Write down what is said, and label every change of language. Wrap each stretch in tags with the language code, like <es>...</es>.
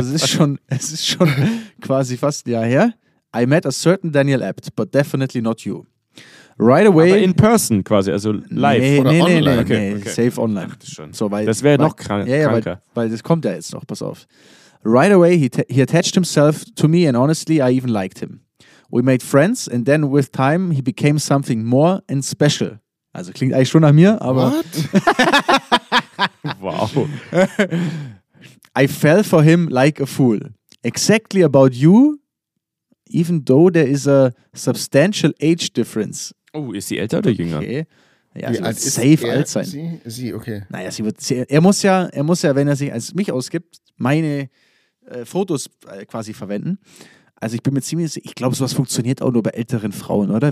<de>also es ist schon quasi fast ein Jahr her.</de> <en>I met a certain Daniel Abt, but definitely not you. Right away.</en> <de>Aber</de> <en>in person</en> <de>quasi, also live oder online. Safe online. Ach, schon. Das wäre noch kranker. Weil das kommt ja jetzt noch, pass auf.</de> <en>Right away, he attached himself to me and honestly, I even liked him. We made friends and then with time, he became something more and special.</en> <de>Also klingt eigentlich schon nach mir, aber...</de> <en>What? Wow. I fell for him like a fool. Exactly about you, even though there is a substantial age difference.</en> <de>Oh, ist sie älter oder jünger? Okay. Ja, sie wird safe alt sein. Sie, okay. Naja, er muss ja, wenn er sich als mich ausgibt, meine Fotos quasi verwenden. Also ich bin mir ziemlich sicher, ich glaube, sowas funktioniert auch nur bei älteren Frauen, oder?</de>